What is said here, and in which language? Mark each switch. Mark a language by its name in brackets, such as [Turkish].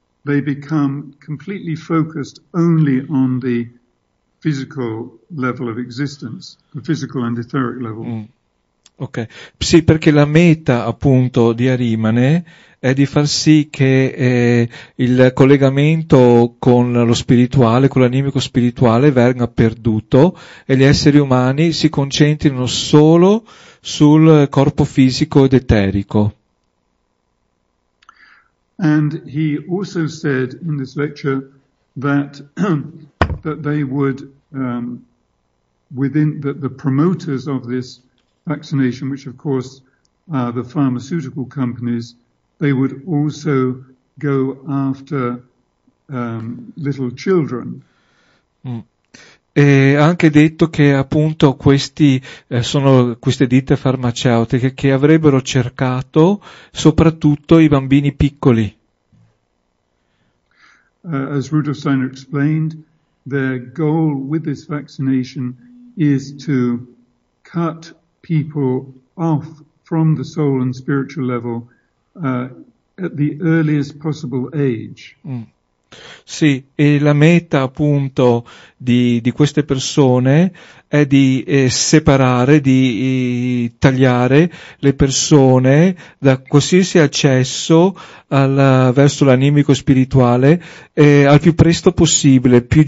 [English] They become completely focused only on the physical level of existence, the physical and etheric level. Mm. [Italian] Ok, sì, perché la meta appunto di Ahrimane è di far sì che il collegamento con lo spirituale, con l'animico spirituale venga perduto e gli esseri umani si concentrino solo sul corpo fisico ed eterico. [English] And he also said in this lecture that that they would within that the promoters of this vaccination, which of course are the pharmaceutical companies, they would also go after little children. Mm. [Italian] E ha anche detto che appunto questi sono queste ditte farmaceutiche che avrebbero cercato soprattutto i bambini piccoli. [English] As Rudolf Steiner explained, their goal with this vaccination is to cut people off from the soul and spiritual level at the earliest possible age. Mm. [Italian] Sì, e la meta appunto di queste persone è di separare, di tagliare le persone da qualsiasi accesso verso l'animico spirituale al più presto possibile.